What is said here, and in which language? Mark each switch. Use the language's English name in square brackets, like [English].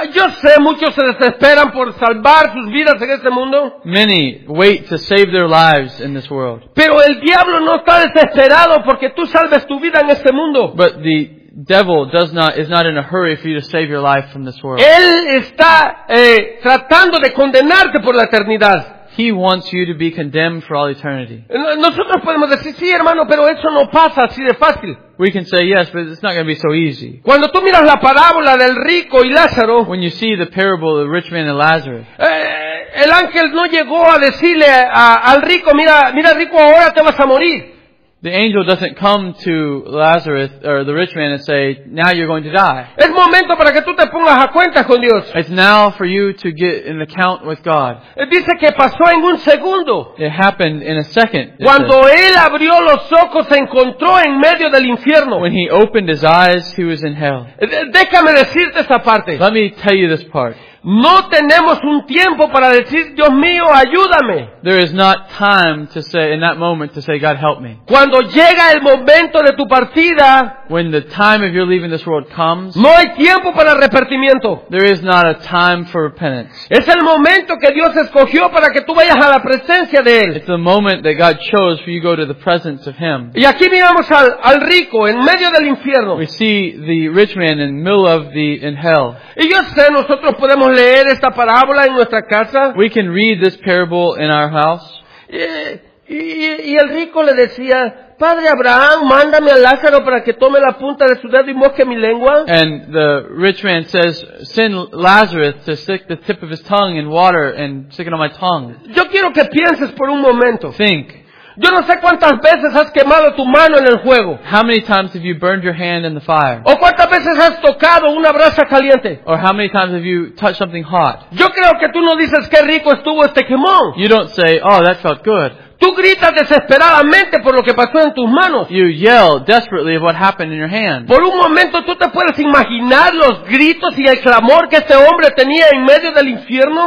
[Spanish] Yo sé, muchos se desesperan por salvar sus vidas en este mundo. [English] Many wait to save their lives in this world. [Spanish] Pero el diablo no está desesperado porque tú salves tu vida en este mundo. [English] But the devil is not in a hurry for you to save your life from this world. [Spanish] Él está tratando de condenarte por la eternidad. [English] He wants you to be condemned for all eternity. [Spanish] Nosotros podemos decir, sí, hermano, pero eso no pasa así de fácil. [English] We can say yes, but it's not going to be so easy. [Spanish] Cuando tú miras la parábola del rico y Lázaro, [English] when you see the parable of the rich man and Lazarus, [Spanish] el ángel no llegó a decirle al rico, mira, mira rico, ahora te vas a morir. [English] The angel doesn't come to Lazarus or the rich man and say, now you're going to die. [Spanish] Es momento para que tú te pongas a cuentas con Dios. [English] It's now for you to get an account with God. [Spanish] Dice que pasó en un segundo. [English] It happened in a second. [Spanish] Cuando él abrió los ojos, se encontró en medio del infierno. [English] When he opened his eyes, he was in hell. [Spanish] Déjame decirte esta parte. [English] Let me tell you this part. [Spanish] No tenemos un tiempo para decir, Dios mío, ayúdame. [English] There is not time to say in that moment to say, God, help me. [Spanish] Cuando llega el momento de tu partida, [English] when the time of your leaving this world comes, [Spanish] no hay tiempo para arrepentimiento. [English] There is not a time for repentance. [Spanish] Es el momento que Dios escogió para que tú vayas a la presencia de él. [English] It's the moment that God chose for you to go to the presence of him. [Spanish] Y aquí miramos al rico en medio del infierno. [English] We see the rich man in the middle of the in hell. [Spanish] Y yo sé, nosotros podemos leer esta parábola en nuestra casa. [English] We can read this parable in our house. [Spanish] Y el rico le decía, Padre Abraham, mándame a Lázaro para que tome la punta de su dedo y mosque mi lengua. [English] And the rich man says, send Lazarus to stick the tip of his tongue in water and stick it on my tongue. [Spanish] Yo quiero que pienses por un momento. [English] Think. [Spanish] Yo no sé cuántas veces has quemado tu mano en el fuego. [English] How many times have you burned your hand in the fire? [Spanish] ¿O cuántas veces has tocado una brasa caliente? [English] Or how many times have you touched something hot? [Spanish] Yo creo que tú no dices qué rico estuvo este quemón. [English] You don't say, oh, that felt good. [Spanish] Tú gritas desesperadamente por lo que pasó en tus manos. [English] You yell desperately of what happened in your hand. [Spanish] Por un momento tú te puedes imaginar los gritos y el clamor que este hombre tenía en medio del infierno.